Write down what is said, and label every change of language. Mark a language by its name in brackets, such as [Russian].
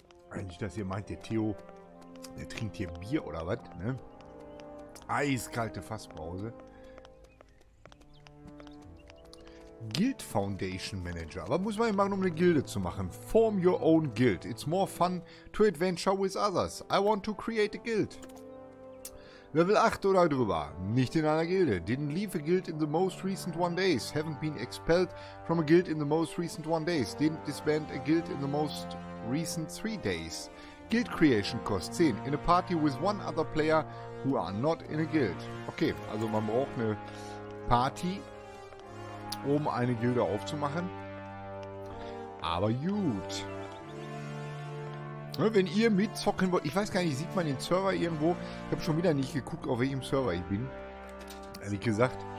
[German] Eigentlich, dass ihr meint, der Theo, der trinkt hier Bier oder was, ne? Eiskalte Fasspause. [English] Guild Foundation Manager. [German] Was muss man hier machen, um eine Gilde zu machen? [English] Form your own guild. It's more fun to adventure with others. I want to create a guild. [German] Level 8 oder drüber. Nicht in einer Gilde. [English] Didn't leave a guild in the most recent one days. Haven't been expelled from a guild in the most recent one days. Didn't disband a guild in the most... recent 3 days. Guild creation cost 10. In a party with one other player who are not in a guild. [German] Okay, also man braucht eine Party, um eine Gilde aufzumachen. Aber gut. Wenn ihr mitzocken wollt, ich weiß gar nicht, sieht man den Server irgendwo? Ich habe schon wieder nicht geguckt, auf welchem Server ich bin. Ehrlich gesagt.